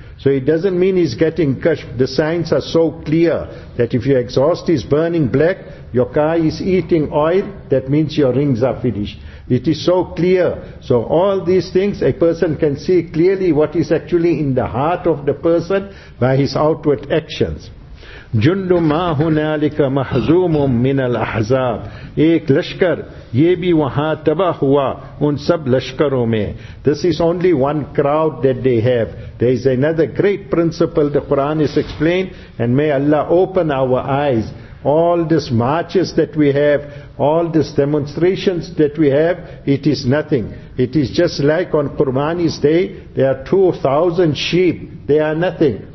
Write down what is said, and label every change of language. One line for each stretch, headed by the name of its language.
English: So it doesn't mean he's getting kashf. The signs are so clear that if your exhaust is burning black, your car is eating oil, that means your rings are finished. It is so clear. So all these things, a person can see clearly what is actually in the heart of the person by his outward actions.
Arabic: جُنْدُ مَا هُنَالِكَ مَحْزُومٌ مِّنَ الْأَحْزَابِ.
Urdu: ایک لشکر یہ بھی وہاں تباہ ہوا ان سب لشکروں میں.
English: This is only one crowd that they have. There is another great principle the Quran is explained, and may Allah open our eyes. All these marches that we have, all these demonstrations that we have, it is nothing. It is just like on Qurbani's day, there are 2,000 sheep. They are nothing.